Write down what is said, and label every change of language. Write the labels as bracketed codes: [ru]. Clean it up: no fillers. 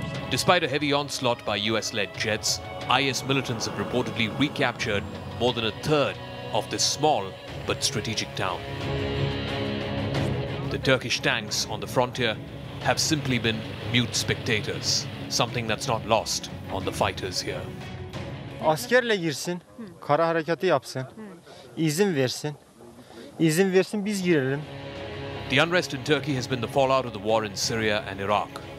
[en] Despite a heavy onslaught by US-led jets, IS militants have reportedly recaptured more than a third of this small but strategic town. The Turkish tanks on the frontier have simply been mute spectators, something that's not lost on the fighters here. [tr] Askerle girsin, kara harekatı yapsın, izin versin, izin versin biz girelim. [en] The unrest in Turkey has been the fallout of the war in Syria and Iraq.